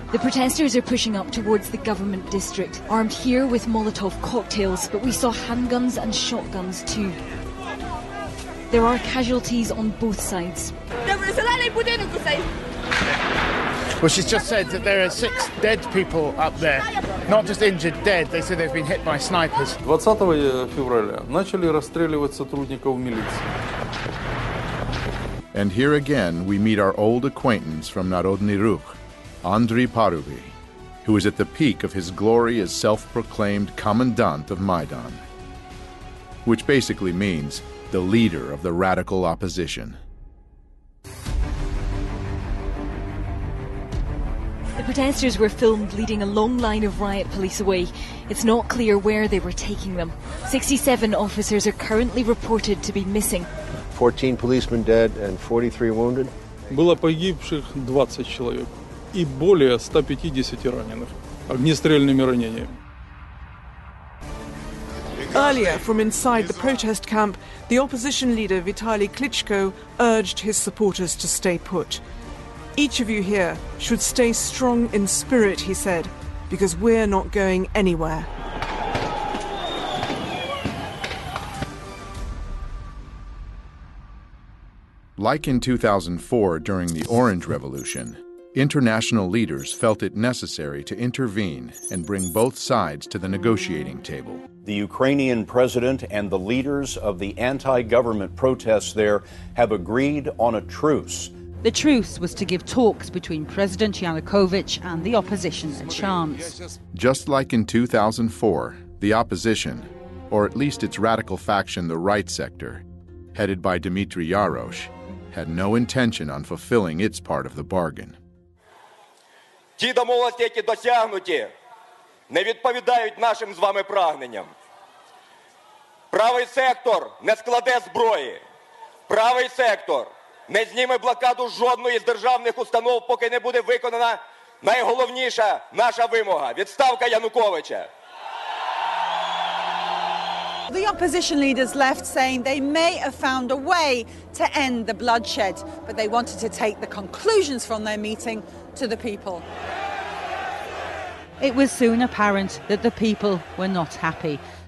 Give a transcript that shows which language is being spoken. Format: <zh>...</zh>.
<en>The protesters are pushing up towards the government district, armed here with Molotov cocktails, but we saw handguns and shotguns too. There are casualties on both sides. Well, she's just said that there are six dead people up there. Not just injured, dead. They say they've been hit by snipers.</en> <ru>20 февраля начали расстреливать сотрудников милиции.</ru> <en>And here again, we meet our old acquaintance from Narodny Rukh, Andriy Paruby, who is at the peak of his glory as self-proclaimed commandant of Maidan, which basically means the leader of the radical opposition. The protesters were filmed leading a long line of riot police away. It's not clear where they were taking them. 67 officers are currently reported to be missing. 14 policemen dead and 43 wounded.</en> <ru>Было погибших 20 человек и более 150 раненых огнестрельными ранениями.</ru> <en>Earlier, from inside the protest camp, the opposition leader Vitaly Klitschko urged his supporters to stay put. Each of you here should stay strong in spirit, he said, because we're not going anywhere. Like in 2004 during the Orange Revolution, international leaders felt it necessary to intervene and bring both sides to the negotiating table. The Ukrainian president and the leaders of the anti-government protests there have agreed on a truce. The truce was to give talks between President Yanukovych and the opposition a chance. Just like in 2004, the opposition, or at least its radical faction, the right sector, headed by Dmitry Yarosh, had no intention on fulfilling its part of the bargain.</en> <uk>Ті домовленості, які досягнуті, не відповідають нашим з вами прагненням. Правий сектор не складе зброї. Правий сектор не зніме блокаду жодної з державних установ, поки не буде виконана найголовніша наша вимога – відставка Януковича.</uk> <en>The opposition leaders left saying they may have found a way to end the bloodshed, but they wanted to take the conclusions from their meeting to the people. It was soon apparent that the people were not happy.</en>